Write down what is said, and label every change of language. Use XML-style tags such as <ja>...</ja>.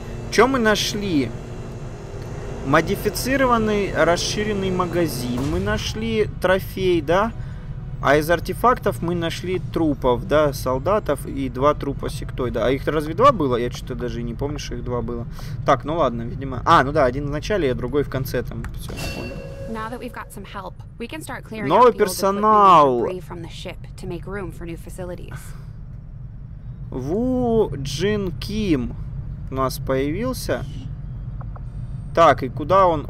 <ru>Что мы нашли? Модифицированный расширенный магазин. Мы нашли трофей, да? А из артефактов мы нашли трупов, да, солдатов и два трупа сектоида. А их-то разве два было? Я что-то даже и не помню, что их два было. Так, ну ладно, видимо. А, ну да, один в начале, а другой в конце там. Все, понял.</ru> <en>Now that we've got some help, we can start clearing out the personnel from the ship to make room for new facilities.</en> <ru>Ву Джин Ким у нас появился. Так, и куда он?</ru>